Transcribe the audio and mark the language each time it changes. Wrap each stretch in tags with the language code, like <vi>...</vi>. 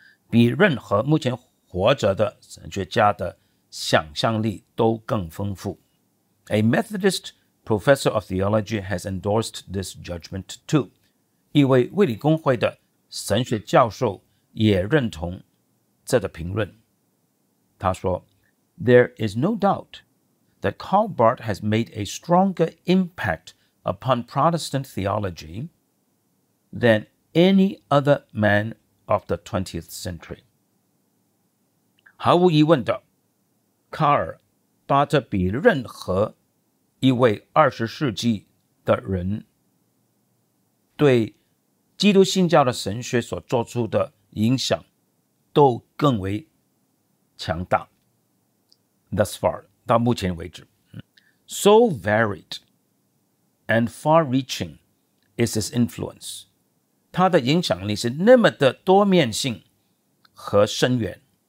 <zh>比任何目前活着的神学家的想象力都更丰富。</zh> <en>A Methodist professor of theology has endorsed this judgment too.</en> <zh>一位卫理公会的神学教授也认同这个评论。他说</zh> <en>There is no doubt that Karl Barth has made a stronger impact upon Protestant theology than any other man of the 20th century.</en> <zh>毫无疑问的卡尔·巴特比任何一位二十世纪的人对基督信教的神学所做出的影响都更为强大。</zh> <en>Thus far,</en> <zh>到目前为止。</zh> <en>So varied and far-reaching is his influence.</en> <zh>他的影响力是那么的多面性和深远。</zh>